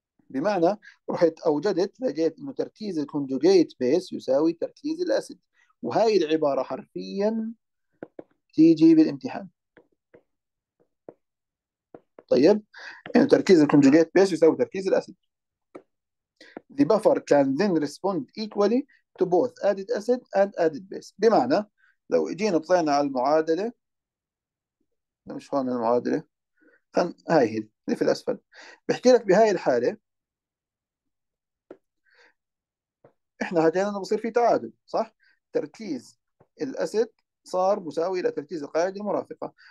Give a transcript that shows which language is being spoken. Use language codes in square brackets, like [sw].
[ar] بمعنى رحت أوجدت لقيت إنه تركيز الكونجوجيت بيس يساوي تركيز الأسيد، وهاي العبارة حرفيا تيجي بالامتحان. طيب انه تركيز الكونجوجيت بيس يساوي تركيز الاسيد. [en] The buffer can then respond equally to both added acid and added base. [ar] بمعنى لو اجينا طلعنا على المعادله، مش هون المعادله، هاي هي اللي في الاسفل، بحكي لك بهاي الحاله احنا حكينا انه بصير في تعادل، صح؟ تركيز الاسيد صار مساوي لتركيز القاعده المرافقه.